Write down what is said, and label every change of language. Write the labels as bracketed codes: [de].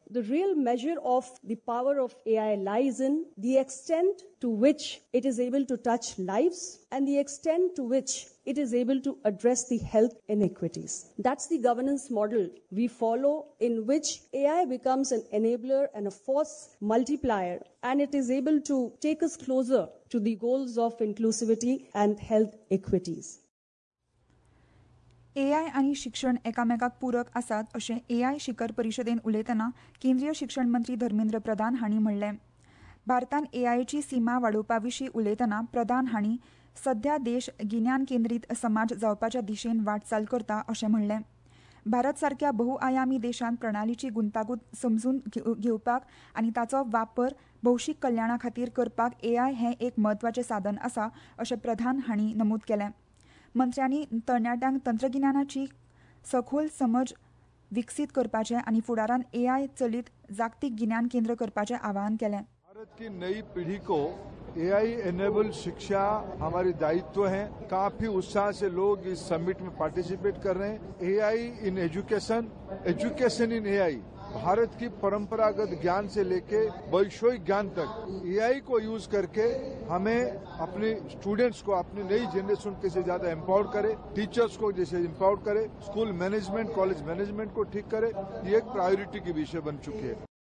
[en] The real measure of the power of AI lies in the extent to which it is able to touch lives and the extent to which it is able to address the health inequities. That's the governance model we follow, in which AI becomes an enabler and a force multiplier, and it is able to take us closer to the goals of inclusivity and health equities. [kok] AI आणि शिक्षण एकामेकाक पूरक असतात असे एआय शिखर परिषदेन उलयताना केंद्रीय शिक्षण मंत्री धर्मेंद्र प्रधान हांणी म्हणले। भारतान एआयची सीमा वाढोवपा विशीं उलयताना प्रधान हांणी सध्या देश गिन्यान केंद्रीत समाज जावपाच्या दिशेन वाटचाल करता असे म्हणले। भारत सारख्या बहुआयामी देशांत प्रणालीची गुंतागुंत समजून घेवपाक आणि ताचो वापर भौशीक कल्याणा खातीर करपाक एआय हे एक महत्वाचे साधन असा असे प्रधान हांणी नमूद केले। मंत्र्यांनी तरणाट्यांक तंत्रगिन्यानाची सखोल समज विकसित करपाचे आणि फुडारान एआय चलित जागतिक गिन्यान केंद्र करपाचे आवाहन केले। [hi] भारत की नई पीढ़ी को AI enabled शिक्षा हमारी दायित्व है। काफी उत्साह से लोग इस समिट में पार्टिसिपेट कर रहे हैं। [en] AI in education, education in AI, [hi] Bharat की परंपरागत ज्ञान से लेके वैश्विक ज्ञान तक AI को यूज करके हमें अपने स्टूडेंट्स को अपनी नई जनरेशन के से ज्यादा एम्पावर करे, टीचर्स को जैसे एम्पावर करे, स्कूल मैनेजमेंट कॉलेज मैनेजमेंट को ठीक करे, ये एक प्रायोरिटी की विषय बन चुकी है।